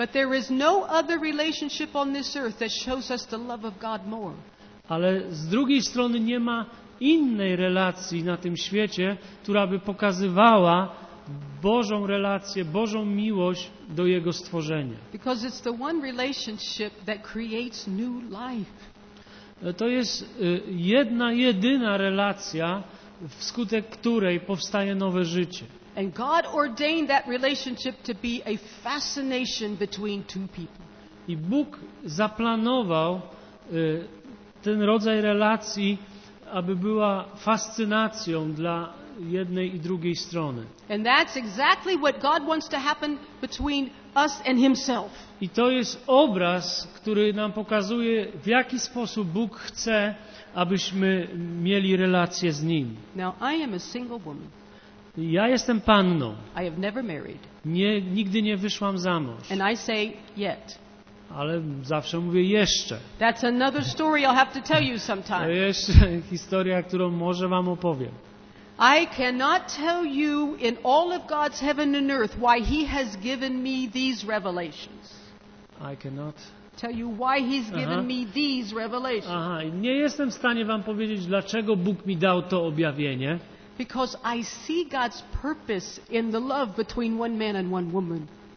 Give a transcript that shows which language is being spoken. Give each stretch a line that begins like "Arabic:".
English: But there is no other relationship on this earth that shows us the love of God more.
Polish: Ale z drugiej strony nie ma innej relacji na tym świecie, która by pokazywała Bożą relację, Bożą miłość do Jego stworzenia.
English: Because it's the one relationship that creates new life.
Polish: To jest jedyna relacja, wskutek której powstaje nowe życie.
English: And God ordained that relationship to be a fascination between two people.
Polish: I Bóg zaplanował ten rodzaj relacji, aby była fascynacją dla jednej i drugiej strony.
English: And that's exactly what God wants to happen between us and himself.
Polish: I to jest obraz, który nam pokazuje, w jaki sposób Bóg chce, abyśmy mieli relację z Nim.
English: Now I am a single woman.
Polish: Ja jestem panną.
English: I have never married.
Polish: Nigdy nie wyszłam za mąż.
English: And I say yet.
Polish: Ale zawsze mówię jeszcze.
English: That's another story I'll have to tell you sometime.
Polish: To jest historia, którą może wam opowiem.
English: I cannot tell you in all of God's heaven and earth why he has given me these revelations. I cannot tell you why he's given me these revelations.
Polish: Aha, nie jestem w stanie wam powiedzieć, dlaczego Bóg mi dał to objawienie.
English: Because I see God's purpose in the love between one man and one woman.